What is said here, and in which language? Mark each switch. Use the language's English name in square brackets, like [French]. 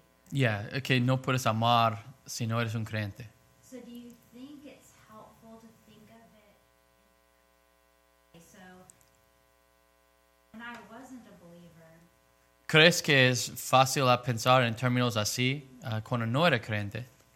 [Spanish] Yeah, okay, no puedes amar si no eres un creyente. [English] So do you think it's helpful to think of it? Okay, so, when I wasn't a believer. [Spanish] ¿Crees que es fácil a pensar en términos así cuando no era creyente?